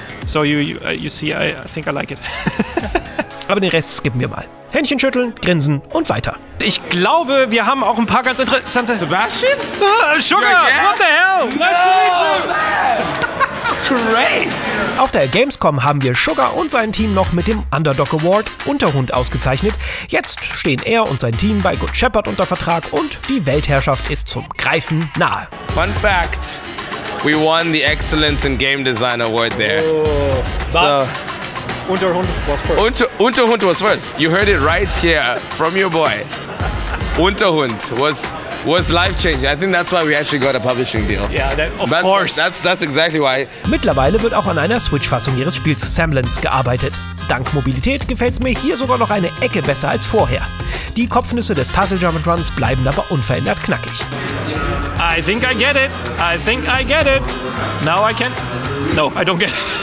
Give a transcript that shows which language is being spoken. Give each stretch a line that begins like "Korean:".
English: So you see, I think I like it.
German: Aber den Rest skippen wir mal. Händchen schütteln, grinsen und weiter. Ich glaube, wir haben auch ein paar ganz interessante... Sebastian?
English: Sugar! What the hell? No. Nice to meet you. Great!
German: Auf der Gamescom haben wir Sugar und sein Team noch mit dem Underdog Award Unterhund ausgezeichnet. Jetzt stehen er und sein Team bei Good Shepherd unter Vertrag und die Weltherrschaft ist zum Greifen nahe.
English: Fun Fact, we won the Excellence in Game Design Award there. Oh, so. Unterhund was first. Unterhund was first. You heard it right here from your boy. Unterhund was life-changing. I think that's why we actually got a publishing deal. Yeah, of course. That's exactly why.
German: Mittlerweile wird auch an einer Switch-Fassung ihres Spiels Semblance gearbeitet. Dank Mobilität gefällt's mir hier sogar noch eine Ecke besser als vorher. Die Kopfnüsse des Puzzle Jump and Runs bleiben aber unverändert knackig.
English: I think I get it. I think I get it. Now I can. No, I don't get it.